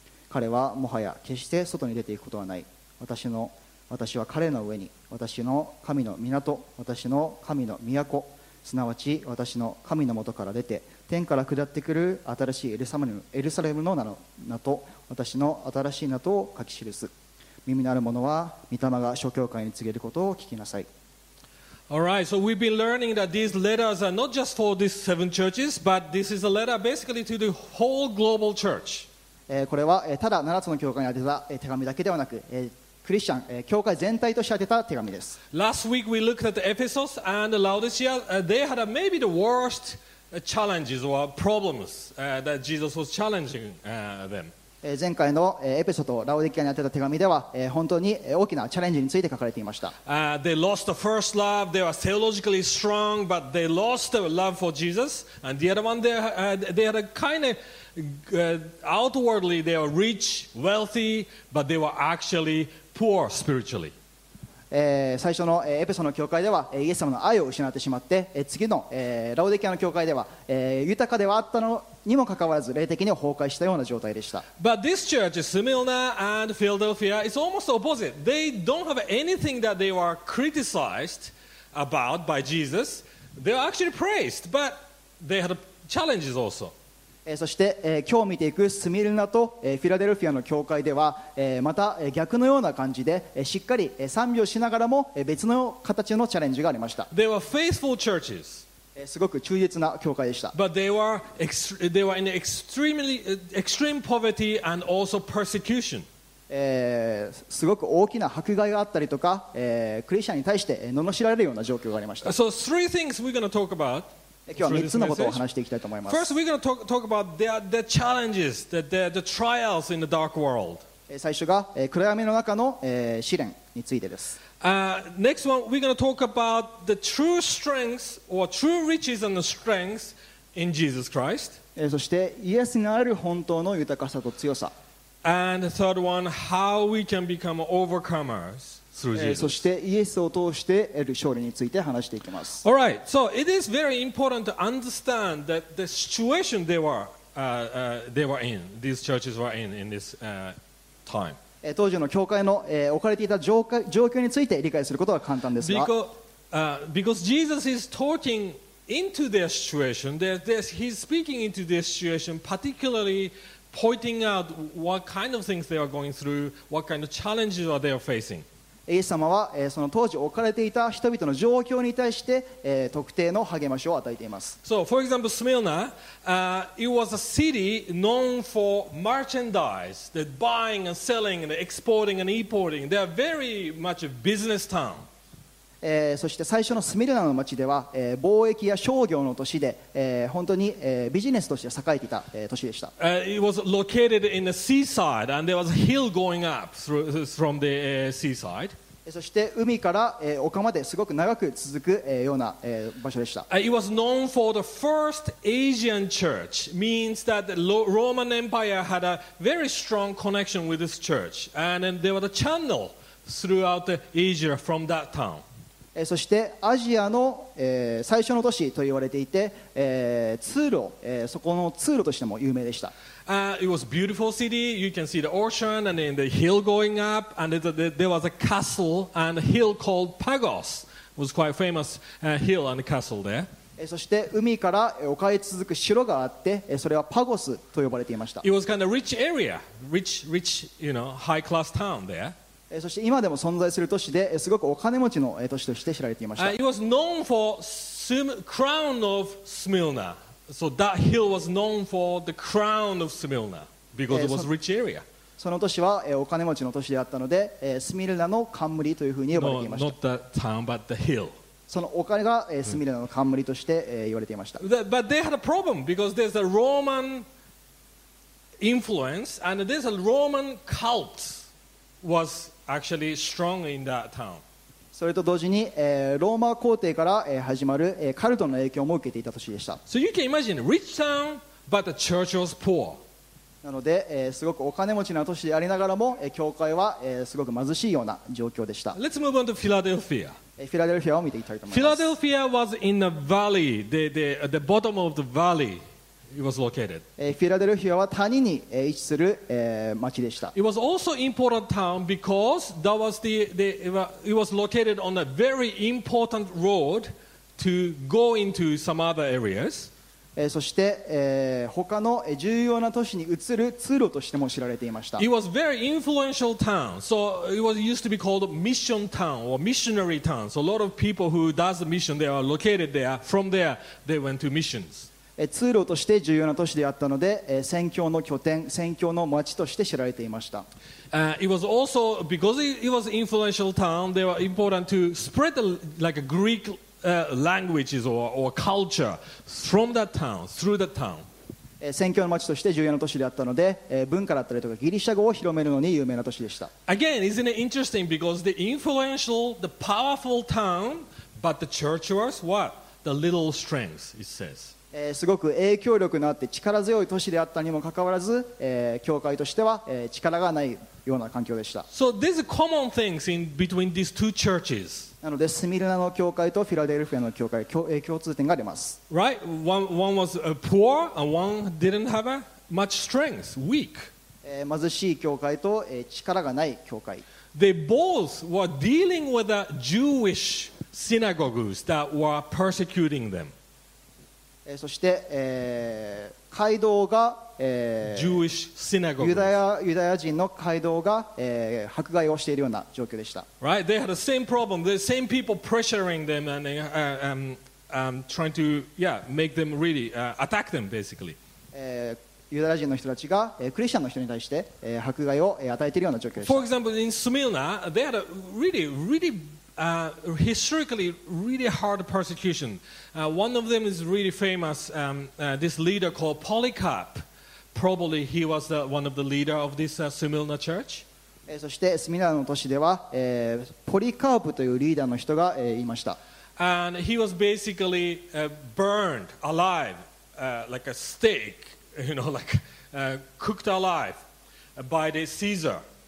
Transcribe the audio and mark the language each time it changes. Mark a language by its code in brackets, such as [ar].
[ja] 彼はもはや決して外に出ていくことはない。私は彼の上に私の神の港、私の神の都、すなわち私の神のもとから出て天から下ってくる新しいエルサレムの名と私の新しい名とを書き記す。耳のある者は御霊が諸教会に告げることを聞きなさい。 [en] All right, so we've been learning that these letters are not just for these seven churches, but this is a letter basically to the whole global church. [ja] これはただ7つの教会に宛てた手紙だけではなく、クリスチャン、教会全体として宛てた手紙です。 [en] Last week we looked at the Ephesus and Laodicea. They had maybe the worst challenges or problems that Jesus was challenging them. [ja] 前回のエペソとラオディキアに宛てた手紙では、本当に大きなチャレンジについて書かれていました。 [en] They lost the first love. They were theologically strong, but they lost the love for Jesus. And the other one, they had a kind ofoutwardly they were rich, wealthy, but they were actually poor spiritually. [ja] 最初のエペソの教会ではイエス様の愛を失ってしまって次のラオデキアの教会では豊かではあったのにもかかわらず霊的に崩壊したような状態でした。 [en] But this church, Smyrna and Philadelphia, is almost opposite. They don't have anything that they were criticized about by Jesus. They were actually praised, but they had challenges also. [ja] そして今日見ていくスミルナとフィラデルフィアの教会ではまた逆のような感じでしっかり賛美をしながらも別の形のチャレンジがありました。 [en] They were faithful churches. [ja] すごく忠実な教会でした。 [en] But they were in extreme poverty and also persecution. [ja] すごく大きな迫害があったりとかクリスチャンに対して罵られるような状況がありました。 [en] So three things we're going to talk about. [ja] 今日は3つのことを話していきたいと思います。 [en] First, we're going to talk about the challenges, the trials in the dark world. [ja] 最初が暗闇の中の試練についてです。 [en] Next one, we're going to talk about the true strengths or true riches and the strengths in Jesus Christ. [ja] そしてイエスにある本当の豊かさと強さ。 [en] And the third one, how we can become overcomers. [ja] そしてイエスを通して得る勝利について話していきます。 [en] All right. So it is very important to understand that the situation they were in, these churches were in this time. [ja] 当時の教会の置かれていた状況について理解することは簡単ですが、 [en] because Jesus is talking into their situation, he's speaking into their situation, particularly pointing out what kind of things they are going through, what kind of challenges are they are facing. [ja] イエス様はその当時置かれていた人々の状況に対して特定の励ましを与えています。 [en] So for example Smyrna, it was a city known for merchandise, the buying and selling and exporting and importing. They are very much a business town. [ja] そして最初のスミルナの町では貿易や商業の都市で本当にビジネスとして栄えていた都市でした。 [en] It was located in the seaside and there was a hill going up from the seaside. [ja] そして海から丘まですごく長く続くような場所でした。 [en] It was known for the first Asian church, means that the Roman Empire had a very strong connection with this church, and then there was a channel throughout Asia from that town. [ja] そしてアジアの最初の都市と言われていて通路そこの通路としても有名でした。 [en] It was a beautiful city. You can see the ocean and then the hill going up, and there was a castle and a hill called Pagos. It was quite famous hill and castle there. [ja] そして海から丘へ続く城があってそれはパゴスと呼ばれていました。 [en] It was kind of rich area, rich, you know, high class town there. [ja] そして今でも存在する都市ですごくお金持ちの都市として知られていました。 [en] It was known for the crown of Smyrna. So that hill was known for the crown of Smyrna because it was a rich area. [ja] その都市はお金持ちの都市であったのでスミルナの冠というふうに呼ばれていました。 [en] No, not the town, but the hill. [ja] そのお金がスミルナの冠として言われていました。 [en] But they had a problem because there's a Roman influence and there's a Roman cult was actually strong in that town. [ja] それと同時に、ローマ皇帝から始まる、カルトの影響も受けていた都市でした。 [en] So you can imagine, rich town, but the church was poor. [ja] なので、すごくお金持ちな都市でありながらも、教会は、すごく貧しいような状況でした。 [en] Let's move on to Philadelphia. [ja] フィラデルフィアを見ていきたいと思います。 [en] Philadelphia was in the valley, the bottom of the valley. It was located. [ja] Philadelphia は谷に位置する町でした。 [en] It was also important town because that was it was located on a very important road to go into some other areas. [ja] そして他の重要な都市に移る通路としても知られていました。 [en] It was very influential town. So it was used to be called mission town or missionary town. So a lot of people who does the mission there are located there. From there, they went to missions. [ja] 通路として重要な都市であったので宣教の拠点宣教の町として知られていました。 [en] It was also because it was an influential town they were important to spread like a Greek languages or culture from that town through that town. [ja] 宣教の町として重要な都市であったので文化だったりとかギリシャ語を広めるのに有名な都市でした。 [en] Again, isn't it interesting because the influential, the powerful town but the church was what? The little strength, it says [ja] すごく影響力のあって力強い都市であったにもかかわらず、教会としては、力がないような環境でした。 [en] So these are common things in between these two churches. [ja] なのでスミルナの教会とフィラデルフィアの教会、共通点があります。 [en] Right? One was poor and one didn't have much strength, weak. [ja] 貧しい教会と力がない教会。 [en] They both were dealing with the Jewish synagogues that were persecuting them. [ja] そして街道が [en] Jewish synagogues. [ja] ユダヤ人の街道が迫害をしているような状況でした。 [en] Right? They had the same problem. The same people pressuring them and trying to make them really attack them basically. [ja] ユダヤ人の人たちがクリスチャンの人に対して迫害を与えているような状況でした。 [en] For example, in Smyrna, they had a really, really historically really hard persecution. One of them is really famous, this leader called Polycarp. Probably he was one of the leader of this Smyrna church. [ja] そしてスミルナの都市ではポリカープというリーダーの人がいました。 [en] And he was basically burned alive, like a steak. You know, like cooked alive by the Caesar.